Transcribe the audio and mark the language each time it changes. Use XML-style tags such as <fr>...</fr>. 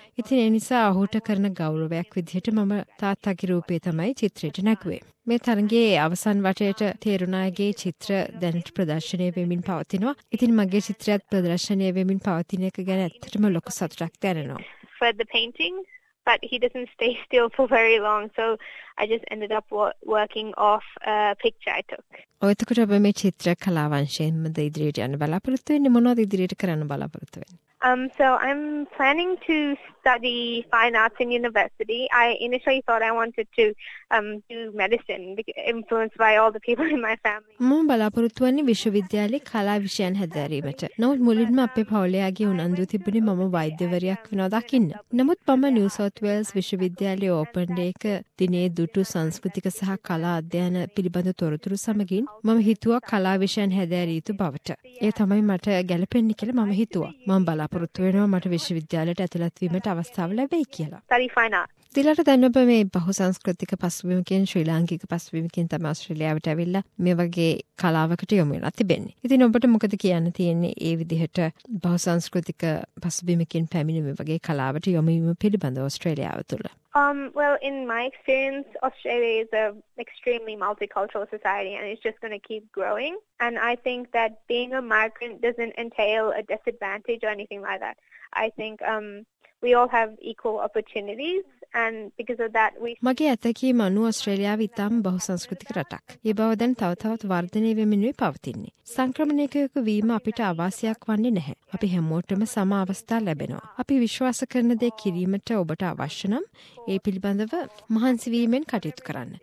<si>ඉතින් ඒ නිසා ඔහුට කරන ගෞරවයක් විදිහට මම තාත්තගේ රූපේ තමයි චිත්‍රයට නැගුවේ. මේ තරගයේ අවසන් වටයට තේරුණායගේ චිත්‍ර දැනට ප්‍රදර්ශනය වෙමින් පවතිනවා. ඉතින් මගේ චිත්‍රයත් ප්‍රදර්ශනය වෙමින් පවතින එක ගැන ඇත්තටම ලොකු සතුටක් දැනෙනවා.</si> <en>But he doesn't stay still for very long, so I just ended up working off a picture I took.</en> <si>ඔයකට ඔබ මේ චිත්‍ර කලාවංශයෙන් මද ඉදිරියට යන බලාපොරොත්තු වෙන්නේ මොනවද ඉදිරියට කරන්න බලාපොරොත්තු වෙන්නේ?</si> <en>So I'm planning to study fine arts in university. I initially thought I wanted to do medicine, influenced by all the people in my family.</en> <si>මම බලාපොරොත්තු වෙන්නේ විශ්වවිද්‍යාලයේ කලා විෂයන් හැදෑරීමට. නමුත් මුලින්ම අපේ පවුලයාගේ උනන්දු තිබුණේ මම වෛද්‍යවරියක් වෙනවා දකින්න. නමුත් මම නිව් සවුත් වේල්ස් විශ්වවිද්‍යාලයේ ඕපන් ඩේක දිනේ දුටු සංස්කෘතික සහ කලා අධ්‍යයන පිළිබඳ තොරතුරු සමගින් මම හිතුවා කලා විෂයන් හැදෑරිය යුතු බවට. ඒ තමයි මට ගැළපෙන්නේ කියලා මම හිතුවා. මම බලාපොරොත්තු වෙනවා මට විශ්වවිද්‍යාලයට ඇතුළත් වීමට අවස්ථාව ලැබෙයි කියලා. දිලට දැන් ඔබ මේ බහු සංස්කෘතික පසුබිමකින් ශ්‍රී ලාංකික පසුබිමකින් තමයි ඔස්ට්‍රේලියාවට ඇවිල්ලා මේ වගේ කලාවකට යොමු වෙලා තිබෙන්නේ. ඉතින් ඔබට මොකද කියන්න තියෙන්නේ ඒ විදිහට බහු සංස්කෘතික පසුබිමකින් පැමිණ මේ වගේ කලාවට යොමු වීම පිළිබඳ ඔස්ට්‍රේලියාව තුළ?</si> <en>Well, in my experience, Australia is an extremely multicultural society and it's just going to keep growing. And I think that being a migrant doesn't entail a disadvantage or anything like that. I think we all have equal opportunities.</en> <si>මගේ ඇතැකීම අනුව ඔස්ට්‍රේලියාව ඉතාම බහුසංස්කෘතික රටක්. ඒ බව දැන් තව තවත් වර්ධනය වෙමින් පවතින්නේ. සංක්‍රමණිකයක වීම අපිට අවාසියක් වන්නේ නැහැ. අපි හැමෝටම සම අවස්ථා ලැබෙනවා. අපි විශ්වාස කරන දේ කිරීමට ඔබට අවශ්‍ය නම් ඒ පිළිබඳව මහන්සි වීමෙන් කටයුතු කරන්න.</si>